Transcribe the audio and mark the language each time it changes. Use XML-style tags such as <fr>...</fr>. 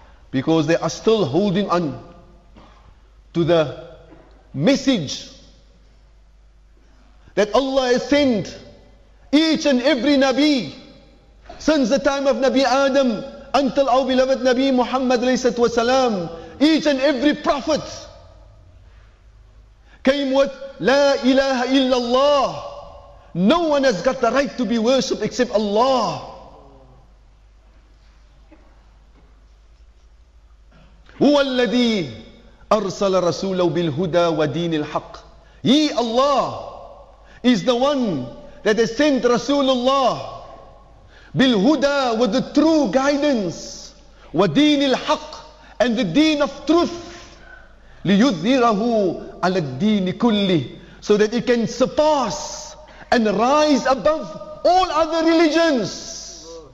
<en>Because they are still holding on to the message that Allah has sent each and every Nabi since the time of Nabi Adam until our beloved Nabi Muhammad, each and every prophet. came with La ilaha illallah. No one has got the right to be worshipped except Allah.</en> <ar>هو الذي أرسل رسوله بالهدى ودين الحق.</ar> <en>He, Allah, is the one that has sent Rasulullah</en> <ar>بالهدى,</ar> <en>with the true guidance,</en> <ar>ودين الحق,</ar> <en>and the deen of truth,</en> <ar>ليظهره على الدين كله,</ar> <en>so that it can surpass and rise above all other religions.</en>